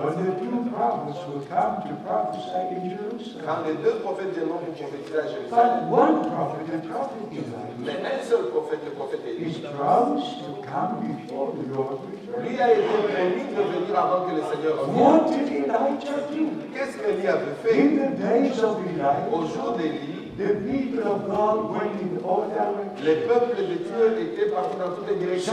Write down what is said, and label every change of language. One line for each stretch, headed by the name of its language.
English: When the two prophets will come to prophesy in Jerusalem.
French: Quand les deux prophètes viendront pour prophétiser à Jérusalem.
English: But one prophet, the prophet Elijah.
French: Mais un seul prophète, le prophète Élie.
English: Is promised to come before the Lord.
French: Lui a été promis de venir avant que le Seigneur vienne.
English: Elijah do?
French: Qu'est-ce qu'Elie avait fait?
English: In the days of Elijah,
French: au jour d'Elie,
English: the people of God went in all directions.
French: Les peuples de Dieu étaient partout dans toutes les directions.